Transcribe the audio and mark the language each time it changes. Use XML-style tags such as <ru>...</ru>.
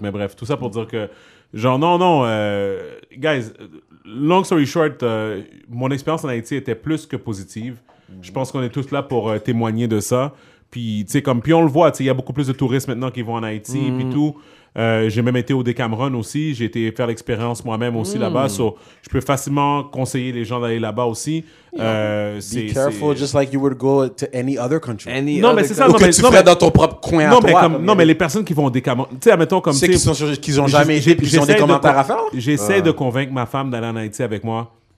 <fr>Mais bref, tout ça pour dire que, genre, non. Guys,</fr> <en>long story short,</en> <fr>mon expérience en Haïti était plus que positive. Je pense qu'on est tous là pour témoigner de ça. Puis, tu sais, comme, puis on le voit, tu sais, il y a beaucoup plus de touristes maintenant qui vont en Haïti, puis tout. J'ai même été au Decameron aussi. J'ai été faire l'expérience moi-même aussi là-bas. So, je peux facilement conseiller les gens d'aller là-bas aussi.</fr> <en>Be careful, just like you would go to any other country.</en> <fr>Non, mais c'est ça. Dans ton propre coin non, à toi. Mais comme, non, mais les personnes qui vont au Decameron... Tu sais, admettons comme... C'est qu'ils n'ont jamais été puis ils ont des commentaires à faire. J'essaie de convaincre ma femme d'aller en Haïti avec moi.</fr>